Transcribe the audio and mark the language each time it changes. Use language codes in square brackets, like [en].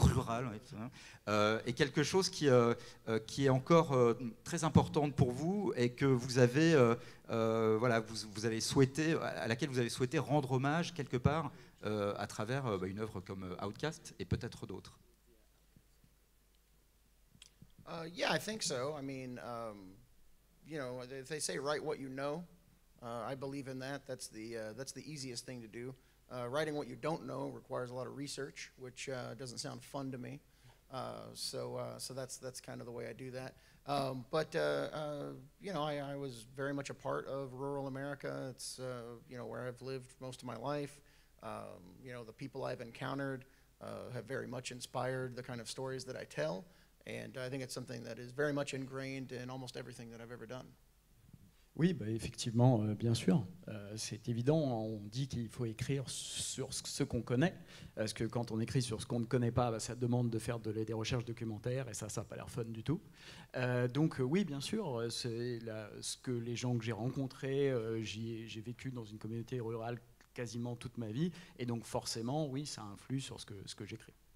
[fr] rural, oui, est quelque chose qui est encore très importante pour vous et que vous avez, vous avez souhaité, à laquelle vous avez souhaité rendre hommage quelque part à travers une œuvre comme Outcast et peut-être d'autres. [en] Yeah, I think so. I mean, you know, they say write what you know. I believe in that. That's the easiest thing to do. Writing what you don't know requires a lot of research, which doesn't sound fun to me. So that's kind of the way I do that. I was very much a part of rural America. It's where I've lived most of my life. The people I've encountered have very much inspired the kind of stories that I tell, and I think it's something that is very much ingrained in almost everything that I've ever done. [fr] Oui, bah effectivement, bien sûr. C'est évident, on dit qu'il faut écrire sur ce qu'on connaît, parce que quand on écrit sur ce qu'on ne connaît pas, bah, ça demande de faire des recherches documentaires, et ça n'a pas l'air fun du tout. Donc oui, bien sûr, ce que les gens que j'ai rencontrés, j'ai vécu dans une communauté rurale quasiment toute ma vie, et donc forcément, oui, ça influe sur ce que j'écris.